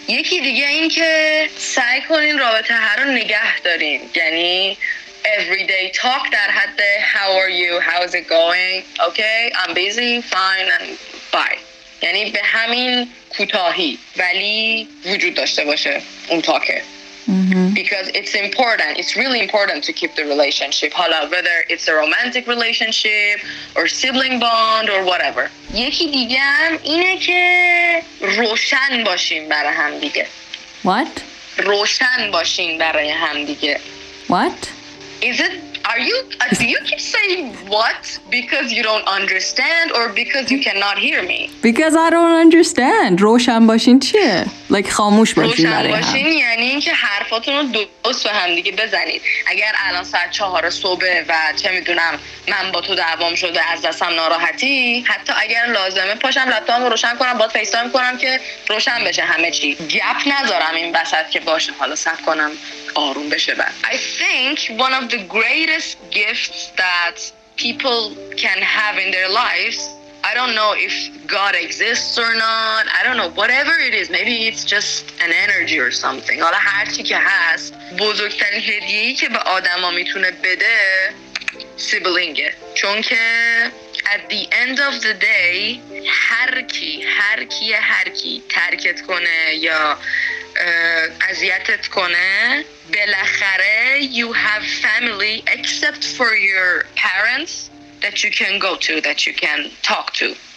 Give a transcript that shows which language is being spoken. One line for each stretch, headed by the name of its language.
Persian: یکی دیگه این که سعی کنین رابطه هر رو نگه دارین، یعنی everyday talk در حد
English: how are you, how's it going, okay, I'm busy, fine and bye.
Persian: یعنی به همین کوتاهی ولی وجود داشته باشه اون تاکه.
English: Because it's important, it's really important to keep the relationship.
Persian: حالا
English: whether it's a romantic relationship or sibling bond or whatever.
Persian: یکی دیگه هم اینه که روشن باشیم برای هم دیگه.
English: What?
Persian: روشن باشیم برای هم دیگه.
English: What? Is it, are you, do you keep saying what because you don't understand or because you cannot hear me? Because I don't understand.
Persian: روشن باشین چیه؟
English: Like
Persian: خاموش باشین برای هم. روشن باشین یعنی اینکه حرفاتون رو درست به هم دیگه بزنید. اگر الان ساعت 4 صبح و چه میدونم من با تو دعوام شده از دستم ناراحتی، حتی اگر لازمه پاشم لپتاپم رو روشن کنم باید فیس تایم کنم که روشن بشه همه چی. گپ نذارم این وسط که باشه حالا صبر کنم.
English: I think one of the greatest gifts that people can have in their lives, I don't know if God exists or not, I don't know, whatever it is, maybe it's just an energy or something.
Persian: حالا هر چی که هست، بزرگترین هدیه‌ای که به آدم ها میتونه بده سیبلینگه. چون که
English: at the end of the day
Persian: هر کی ترکت کنه یا اذیتت کنه، بالاخره
English: you have family except for your parents that you can go to, that you can talk to.